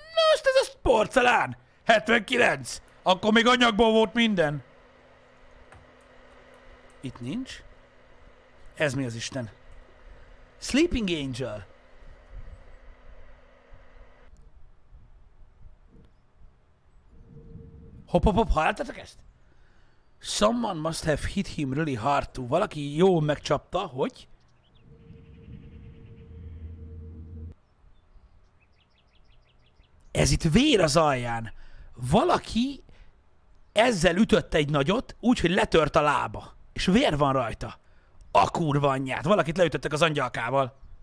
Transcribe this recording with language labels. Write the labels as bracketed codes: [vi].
[hu] Most ez a porcelán! 79! Akkor még anyagból volt minden. Itt nincs. Ez mi az Isten? Sleeping Angel. Hop-hop-hop, halláltatok ezt? [en] Someone must have hit him really hard to. [hu] Valaki jól megcsapta, hogy? Ez itt vér az alján. Valaki ezzel ütött egy nagyot, úgyhogy letört a lába. És vér van rajta. A kurva anyját. Valakit leütöttek az angyalkával.